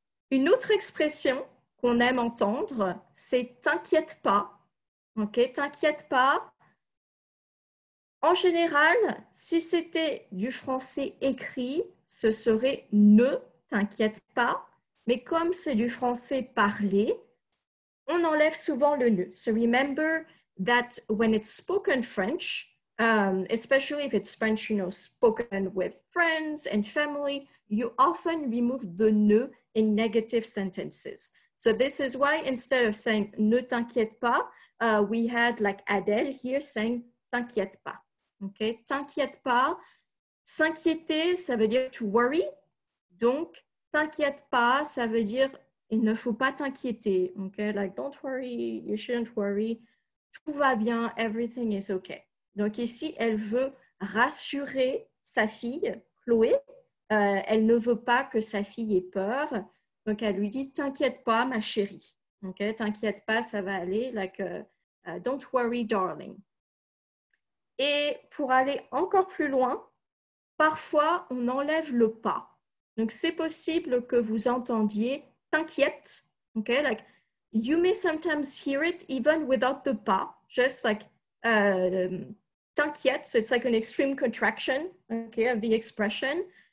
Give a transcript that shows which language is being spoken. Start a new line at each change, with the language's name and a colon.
French: Une autre expression qu'on aime entendre, c'est t'inquiète pas. Okay, t'inquiète pas. En général, si c'était du français écrit, ce serait ne t'inquiète pas. Mais comme c'est du français parlé, on enlève souvent le ne.
English: So remember that when it's spoken French, especially if it's French, you know, spoken with friends and family, you often remove the ne in negative sentences. So this is why instead of saying
French: ne t'inquiète pas,
English: we had like Adele here saying
French: t'inquiète pas. Okay, t'inquiète pas. S'inquiéter, ça veut dire
English: to worry.
French: Donc, t'inquiète pas, ça veut dire il ne faut pas t'inquiéter.
English: Okay, like don't worry, you shouldn't worry.
French: Tout va bien,
English: everything is okay.
French: Donc ici, elle veut rassurer sa fille, Chloé. Elle ne veut pas que sa fille ait peur. Donc elle lui dit, t'inquiète pas, ma chérie. Okay? T'inquiète pas, ça va aller.
English: Like, don't worry, darling.
French: Et pour aller encore plus loin, parfois, on enlève le pas. Donc c'est possible que vous entendiez, t'inquiète. Okay?
English: Like, you may sometimes hear it even without the pa, just like t'inquiète, so it's like an extreme contraction, okay, of the expression.